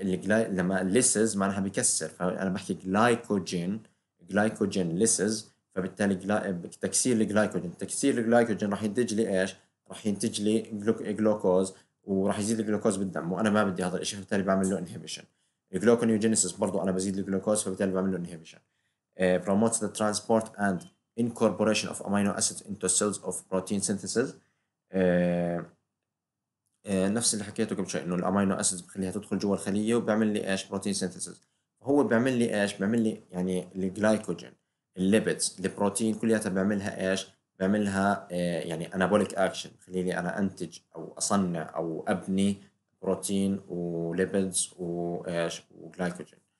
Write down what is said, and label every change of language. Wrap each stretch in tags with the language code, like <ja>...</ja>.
<ar>لما lysis معناها بكسر، فأنا بحكي glycogen glycogen lysis، فبالتالي تكسير الجلايكوجين، تكسير الجلايكوجين راح ينتج لي إيش؟ راح ينتج لي جلوكوز، وراح يزيد الجلوكوز بالدم، وأنا ما بدي هذا الشيء، فبالتالي بعمل له inhibition. الجلوكونيوجينيسيس برضو أنا بزيد الجلوكوز، فبالتالي بعمل له inhibition.</ar> <en>Promotes the transport and incorporation of amino acids into cells of protein synthesis.</en> <ar>نفس اللي حكيته قبل شوي، إنه الأمينو أسيدز بخليها تدخل جوا الخلية وبعمل لي إيش؟ بروتين سينثيسز. هو بعمل لي إيش؟ بعمل لي يعني الجلايكوجين، الليبيدز، البروتين كلياتها بعملها إيش؟ بعملها يعني أنابوليك أكشن، خليني أنا أنتج أو أصنع أو أبني بروتين وليبيدز وإيش؟ وجلايكوجين.</ar>